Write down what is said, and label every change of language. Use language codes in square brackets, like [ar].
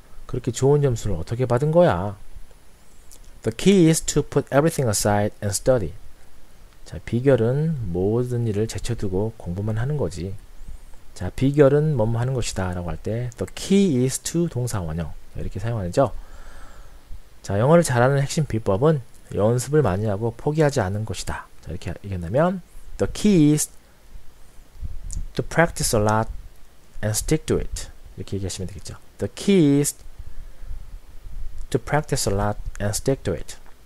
[ko] 그렇게 좋은 점수를 어떻게 받은 거야? [en] The key is to put everything aside and study. [ko] 자, 비결은 모든 일을 제쳐두고 공부만 하는 거지. 자, 비결은 뭐뭐 하는 것이다 라고 할 때 [en] The key is to [ko] 동사원형 이렇게 사용하죠. 자, 영어를 잘하는 핵심 비법은 연습을 많이 하고 포기하지 않는 것이다. 자, 이렇게 얘기한다면 [en] The key is to practice a lot and stick to it. [ko] 이렇게 얘기하시면 되겠죠. [en] The key is to practice a lot and stick to it.